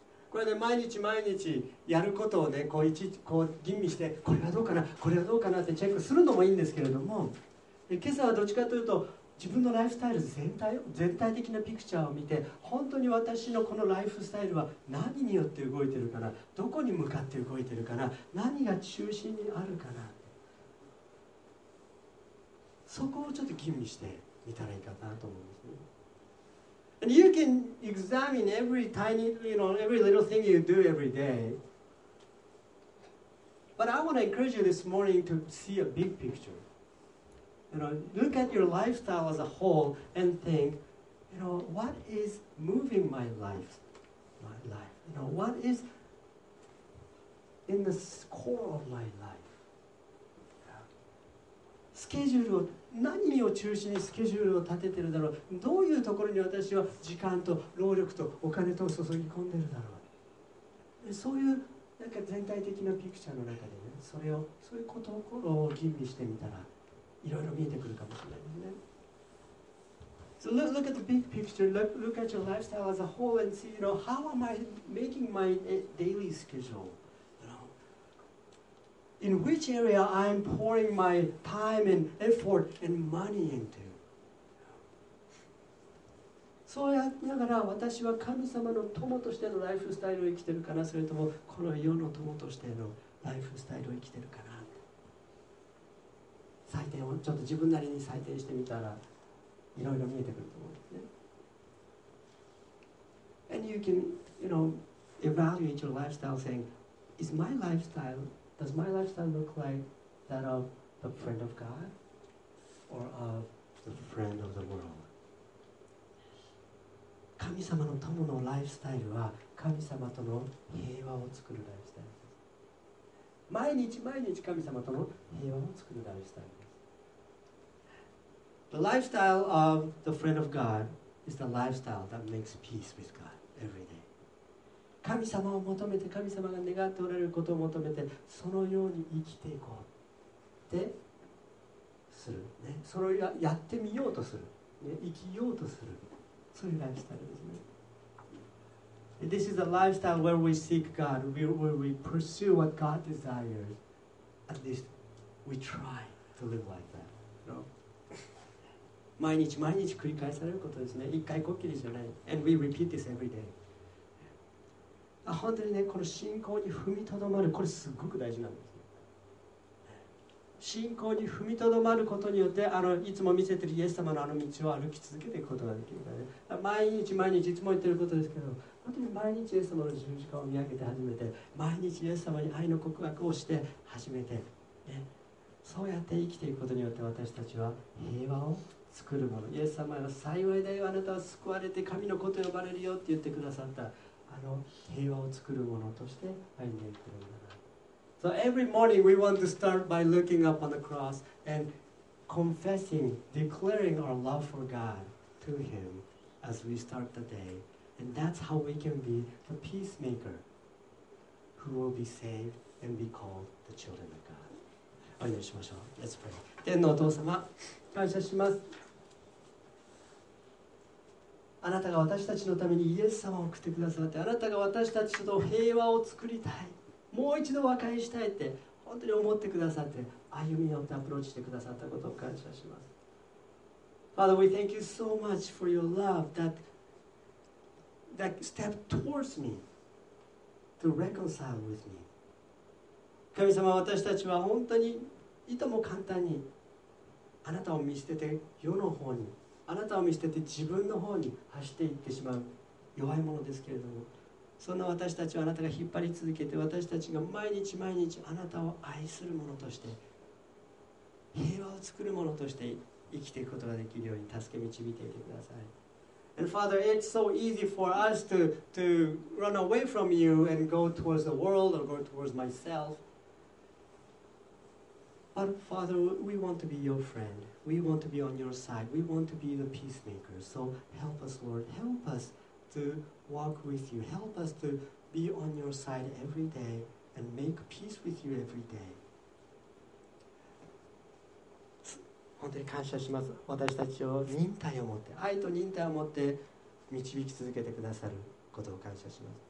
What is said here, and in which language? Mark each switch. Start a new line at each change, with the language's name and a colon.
Japanese: これね、毎日毎日やることをね、こういちこう吟味して、これはどうかな、これはどうかなってチェックするのもいいんですけれども、今朝はどっちかというと、自分のライフスタイル全体的なピクチャーを見て、本当に私のこのライフスタイルは何によって動いてるかな、どこに向かって動いてるかな、何が中心にあるかな、そこをちょっと吟味してみたらいいかなと思うんですね。
English: And you can examine every tiny, you know, every little thing you do every day. But I want to encourage you this morning to see a big picture. You know, look at your lifestyle as a whole and think, you know, what is moving my life? My life. You know, what is in the core of my life?
Japanese: スケジュールを何を中心にスケジュールを立ててるだろう、どういうところに私は時間と労力とお金と注ぎ込んでるだろう、そういうなんか全体的なピクチャーの中でね、それをそういうことを吟味してみたらいろいろ見えてくるかもしれないですね。
English: So look at the big picture, look at your lifestyle as a whole and see, you know, how am I making my daily schedule? In which area I'm pouring my time and effort and money into?
Japanese: そうやりながら私は神様の友としてのライフスタイルを生きてるかな、それともこの世の友としてのライフスタイルを生きてるかな。採点をちょっと自分なりに採点してみたらいろいろ見えてくると思うんですね。
English: And you can, you know, evaluate your lifestyle saying, is my lifestyle... Does my lifestyle look like that of the friend of God or of the friend of the world?
Japanese: 神様の友のライフスタイルは神様との平和を作るライフスタイルです。毎日毎日神様との平和を作るライフスタイルです。
English: The lifestyle of the friend of God is the lifestyle that makes peace with God every day.
Japanese: 神様を求めて、神様が願っておられることを求めて、そのように生きていこうってする、ね、それをやってみようとする、ね、生きようとするそういうライフスタイルですね。
English: This is a lifestyle where we seek God, where we pursue what God desires. At least we try to live like that. No?
Japanese: 毎日毎日繰り返されることですね。一回こっきりじゃない。
English: And we repeat this every day.
Japanese: 本当にね、この信仰に踏みとどまる、これすごく大事なんです。信仰に踏みとどまることによって、いつも見せているイエス様のあの道を歩き続けていくことができるからね。毎日毎日いつも言っていることですけど、本当に毎日イエス様の十字架を見上げて初めて、毎日イエス様に愛の告白をして初めて、ね、そうやって生きていくことによって私たちは平和を作るもの。イエス様は幸いだよ、あなたは救われて神の子と呼ばれるよって言ってくださった、あの平和を作るものとして歩んでいくんだ。
English: So every morning we want to start by looking up on the cross and confessing, declaring our love for God to Him as we start the day. And that's how we can be the peacemaker who will be saved and be called the children of God.
Japanese: お祈りしましょう。
English: Let's pray.
Japanese: 天のお父様、感謝します。あなたが私たちのためにイエス様を送ってくださって、あなたが私たちと平和を作りたい。もう一度和解したいって本当に思ってくださって歩み寄ってアプローチしてくださったことを感謝します。
English: Father, we thank you so much for your love that step towards me to reconcile with me.
Japanese: 神様、私たちは本当にいとも簡単にあなたを見捨てて世の方に、あなたを見捨てて自分の方に走っていってしまう弱いものですけれども、そんな私たちをあなたが引っ張り続けて、私たちが毎日毎日あなたを愛するものとして平和を作るものとして生きていくことができるように助け導いていてください。
English: And Father, it's so easy for us to run away from you and go towards the world or go towards myself. But Father, we want to be your friend. We want to be on your side. We want to be the peacemaker. So help us, Lord. Help us to walk with you. Help us to be on your side every day and make peace with you every day.
Japanese: 本当に感謝します。私たちを忍耐を持って、愛と忍耐を持って導き続けてくださることを感謝します。